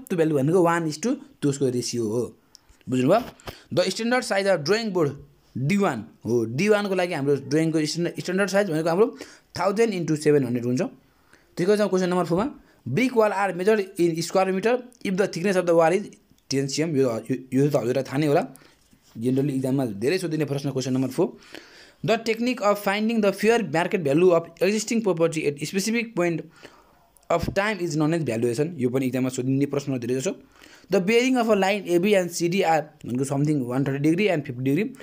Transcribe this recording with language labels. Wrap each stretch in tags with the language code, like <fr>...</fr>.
<ne>त्यो भ्यालु भनेको 1:2 उसको रेसियो हो. बुझ्नुभयो.</ne> <en>the standard size of drawing board D1</en> <ne>हो. D1को लागि हाम्रो ड्रइङको स्ट्यान्डर्ड साइज भनेको हाम्रो 1000 × 700 हुन्छ. त्यही कारण</ne> <en>Question number 4 brick wall are measure in square metre if the thickness of the wall is 10 cm.</en> <ne>यो त हजुरलाई थाहा नै होला.</ne> <en>generally</en> <ne>इक्जाममा धेरै सोधिने प्रश्न</ne> <en>Question number 4. The technique of finding the fair market value of existing property at specific point of time is known as valuation.</en> <ne>यो पनि इक्जाममा सोधिने प्रश्न धेरै जसो.</ne> <en>The bearing of a line AB and CD are भनेको something 130 degree and 50 degree.</en>